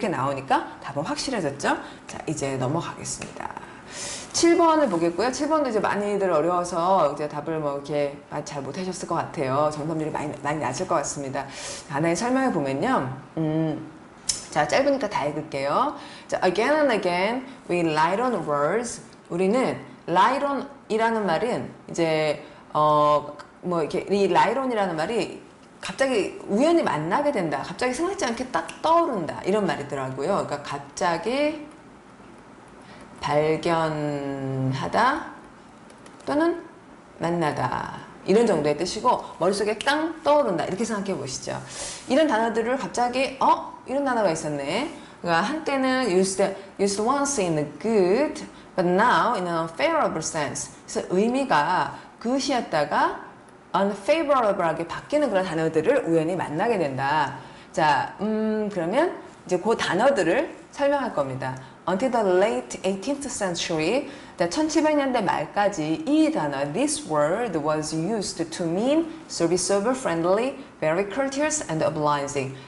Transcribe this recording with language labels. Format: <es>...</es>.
<ko>이렇게 나오니까 답은 확실해졌죠? 자, 이제 넘어가겠습니다. 7번을 보겠고요. 7번도 이제 많이들 어려워서 이제 답을 뭐 이렇게 잘 못하셨을 것 같아요. 정답률이 많이 낮을 것 같습니다. 하나의 설명을 보면요. 자, 짧으니까 다 읽을게요.</ko> <en>자, again and again, we light on words.</en> <ko>우리는 light on이라는 말은 이제 뭐 이렇게 이 light on이라는 말이 갑자기 우연히 만나게 된다. 갑자기 생각지 않게 딱 떠오른다. 이런 말이더라고요. 그러니까 갑자기 발견하다 또는 만나다. 이런 정도의 뜻이고, 머릿속에 땅 떠오른다. 이렇게 생각해 보시죠. 이런 단어들을 갑자기, 이런 단어가 있었네. 그러니까 한때는</ko> <en>used once in a good, but now in an unfavorable sense.</en> <ko>그래서 의미가 good이었다가 unfavorable하게 바뀌는 그런 단어들을 우연히 만나게 된다. 자, 그러면 이제 그 단어들을 설명할 겁니다.</ko> <en>Until the late 18th century,</en> <ko>1700년대 말까지 이 단어,</ko> <en>this word was used to mean serviceable, friendly, very courteous, and obliging.</en>